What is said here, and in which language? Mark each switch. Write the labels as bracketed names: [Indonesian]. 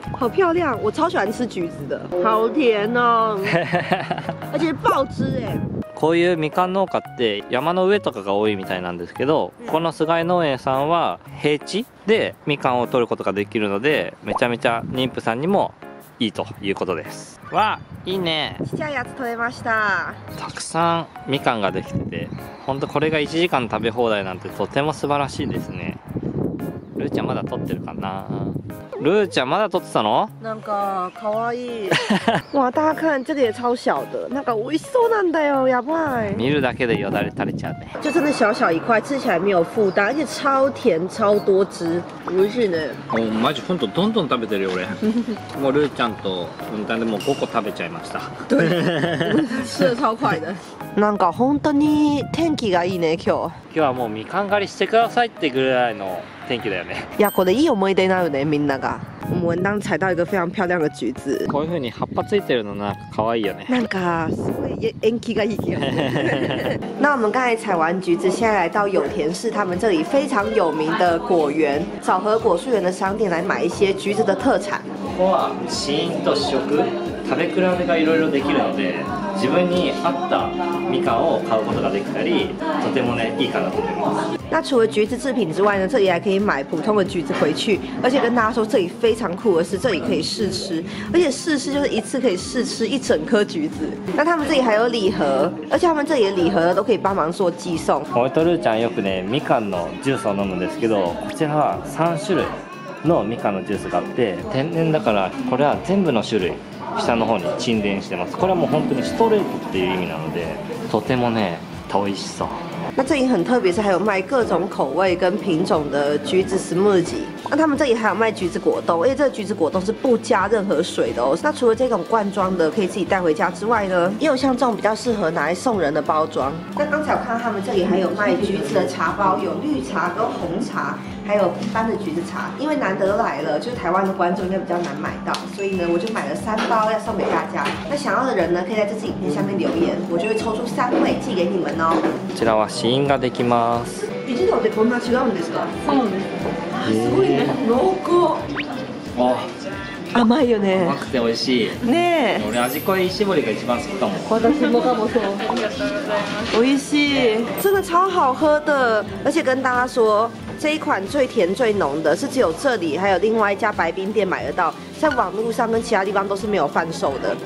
[Chinese] 好漂亮，我超喜欢吃橘子的，好甜哦。而且爆汁哎。 [Japanese] こういうみかん農家って山の上とかが多いみたいなんですけど、この菅井農園さんは平地でみかんを取ることができるので、めちゃめちゃ妊婦さんにもいいということです。わあ、いいね。ちっちゃいやつ取れました。たくさんみかんができてて、本当これが1時間食べ放題なんてとても素晴らしいですね。ルーちゃんまだ撮ってるかな。ルーちゃんまだ撮ってたの？なんか可愛い。 [Chinese] 哇，大家看，这个也超小的，那个 [Japanese] 美味しそうなんだよ，やばい。見るだけでよだれ垂れちゃうね。 [Chinese] 就真的小小一块，吃起来没有负担，而且超甜，超多汁， [Japanese] 美味しいね。もうマジ本当どんどん食べてるよ俺。もうルーちゃんと運転でもう5個食べちゃいました。 [Chinese] 对，吃的超快的。 [Japanese] なんか本当に天気がいいね今日。今日はもうみかん狩りしてくださいってぐらいの天気だよね。いやこれいい思い出になるねみんなが。 [Chinese] 我们刚采到一个非常漂亮的橘子。 [Japanese] こういうふうに葉っぱついてるのなんか可愛いよね。なんかすごい縁起がいいよ。 [Chinese] 那我们刚才采完橘子，现在来到有田市他们这里非常有名的果园枣和果树园的商店来买一些橘子的特产。 [Japanese] ここは試飲と試食、食べ比べがいろいろできるので。自分に合ったみかんを買うことができたり、とてもねいいかなと思います。 [Chinese] 那除了橘子制品之外呢，这里还可以买普通的橘子回去。而且跟大家说，这里非常酷的是，这里可以试吃，而且试吃就是一次可以试吃一整颗橘子。那他们这里还有礼盒，而且他们这里的礼盒都可以帮忙做寄送。 [Japanese] おいとるちゃんよくねみかんのジュースを飲むんですけど、こちらは3種類のみかんのジュースがあって、天然だからこれは全部の種類。下の方に沈殿してます。これはもう本当にストレートっていう意味なので、とてもね、美味しそう。 [Chinese] 那这里很特别，是还有卖各种口味跟品种的橘子 smoothie。那他们这里还有卖橘子果冻，而且这个橘子果冻是不加任何水的哦。那除了这种罐装的可以自己带回家之外呢，也有像这种比较适合拿来送人的包装。那刚才我看到他们这里还有卖橘子的茶包，有绿茶跟红茶，还有一般的橘子茶。因为难得来了，就是台湾的观众应该比较难买到，所以呢，我就买了三包要送给大家。那想要的人呢，可以在这支影片下面留言，我就会抽出三位寄给你们哦。 [Japanese] 知道吗？試飲ができます。一時間でこんな違うんですか？そうです。すごいね、濃厚。あ、甘いよね。甘くて美味しいね。え、俺味濃い絞りが一番好きかも。私もかもそう。ありがとうございます。美味しい。 [Chinese] 真的超好喝的。而且跟大家说，这一款最甜最浓的是只有这里还有另外一家白冰店买得到，在网路上跟其他地方都是没有贩售的。